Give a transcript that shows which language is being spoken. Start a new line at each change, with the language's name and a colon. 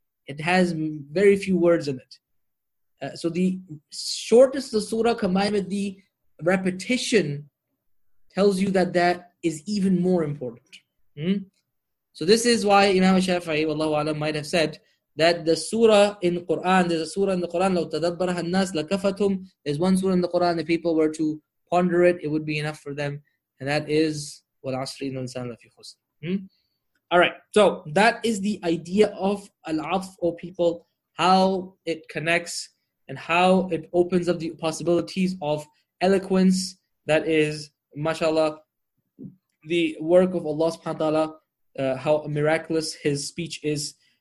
English: It has very few words in it. So the shortness of the surah combined with the repetition tells you that that is even more important. So this is why Imam Shafi'i, wallahu a'lam, might have said that the surah in Quran, there's a surah in the Quran,
Arabic: لَوْ تَدَبَّرَهَا النَّاسِ لَكَفَتُمْ,
English: there's one surah in the Quran, if people were to ponder it, it would be enough for them.
Arabic: And that is وَالْعَصْرِ إِنَّ الْإِنسَانَ لَفِي خُسْرٍ.
English: Alright, so that is the idea of Al-Afw, O people, how it connects and how it opens up the possibilities of eloquence. That is, mashallah, the work of Allah subhanahu wa ta'ala, how miraculous His speech is.